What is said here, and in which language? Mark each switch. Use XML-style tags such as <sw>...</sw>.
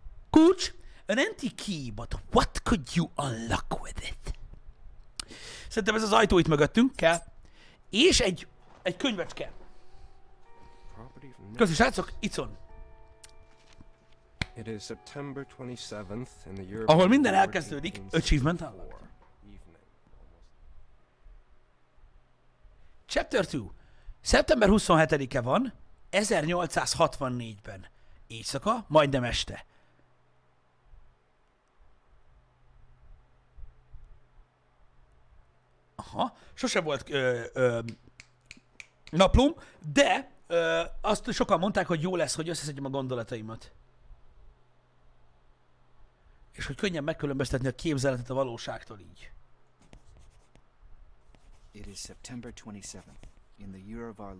<hu>Kulcs,</hu> <en>an empty key, but what could you unlock with it?</en> <hu>Szerintem ez az ajtó itt mögöttünk kell, és egy könyvecske. Köszi, srácok, Icon.</hu> <en>It is September 27th in the year.</en> <hu>Ahol minden elkezdődik,</hu> <en>achievement unlocked.</en> <hu>Chapter 2. September 27-e van, 1864-ben. Éjszaka, majdnem este. Aha, sose volt naplóm, de azt sokan mondták, hogy jó lesz, hogy összeszedjem a gondolataimat. És hogy könnyen megkülönböztetni a képzeletet a valóságtól így.</hu> <en>It is September 27th, in the year of our</en>